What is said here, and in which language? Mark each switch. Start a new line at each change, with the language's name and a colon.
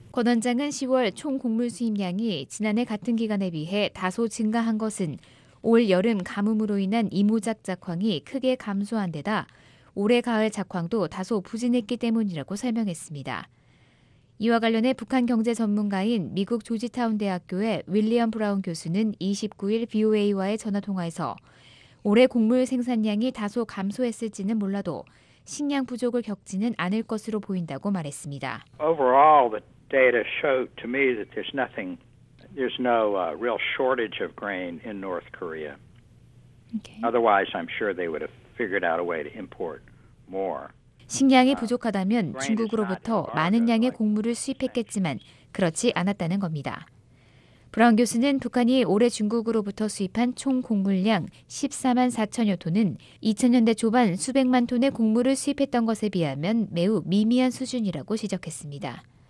Korean: 권 원장은 10월 총 곡물 수입량이 지난해 같은 기간에 비해 다소 증가한 것은 올 여름 가뭄으로 인한 이모작 작황이 크게 감소한 데다 올해 가을 작황도 다소 부진했기 때문이라고 설명했습니다. 이와 관련해 북한 경제 전문가인 미국 조지타운 대학교의 윌리엄 브라운 교수는 29일 VOA와의 전화통화에서 올해 곡물 생산량이 다소 감소했을지는 몰라도 식량 부족을 겪지는 않을 것으로 보인다고 말했습니다.
English: Overall, the data show to me that there's no real shortage of grain in North Korea. Okay. Otherwise, I'm sure they would have figured out a way to import more.
Korean: 식량이 부족하다면 중국으로부터 많은 양의 곡물을 수입했겠지만 그렇지 않았다는 겁니다. 브라운 교수는 북한이 올해 중국으로부터 수입한 총 곡물량 14만 4천여 톤은 2000년대 초반 수백만 톤의 곡물을 수입했던 것에 비하면 매우 미미한 수준이라고 지적했습니다.